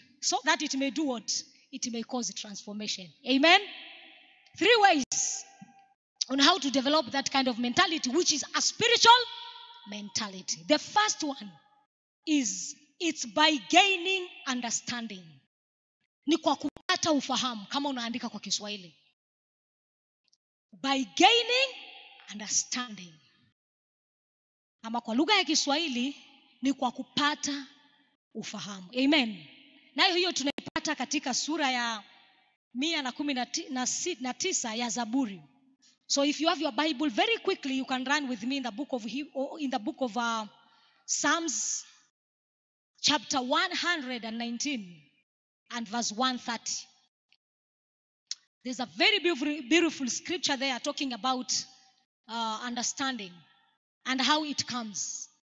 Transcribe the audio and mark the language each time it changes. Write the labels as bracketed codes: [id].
[en] So that it may do what? It may cause transformation. Amen? Three ways on how to develop that kind of mentality, which is a spiritual mentality. The first one is, it's by gaining understanding. [sw] Ni kwa kupata ufahamu, kama unaandika kwa Kiswahili. [en] By gaining understanding. [sw] Ama kwa lugha ya Kiswahili, ni kwa kupata ufahamu. Amen? Na hiyo tunaipata katika sura ya 119 ya Zaburi. [en] So if you have your Bible, very quickly you can run with me in the book of Psalms chapter 119 and verse 130. There's a very beautiful scripture there talking about understanding and how it comes.